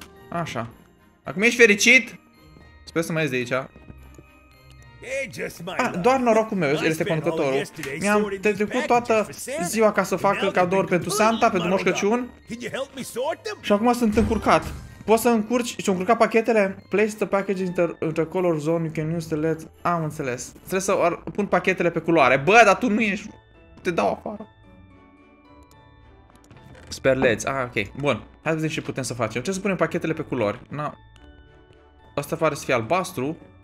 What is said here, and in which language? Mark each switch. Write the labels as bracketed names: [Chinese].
[Romanian] Așa. Acum ești fericit? Sper să mai ies de aici. Ah, doar norocul meu, el este conducătorul. Mi-am trecut toată ziua ca să fac cadouri pentru Santa, pentru Moș Crăciun. Și acum sunt încurcat. Poți să încurci și încurca pachetele? [English] Place the package into color zone, you can use the LED. [Romanian] Am înțeles. Trebuie să pun pachetele pe culoare. Bă, dar tu nu ești... Te dau afară. Sper LED. Ah, ok. Bun. Hai să vedem ce putem să facem. Trebuie să punem pachetele pe culori. Na. Asta pare să fie albastru.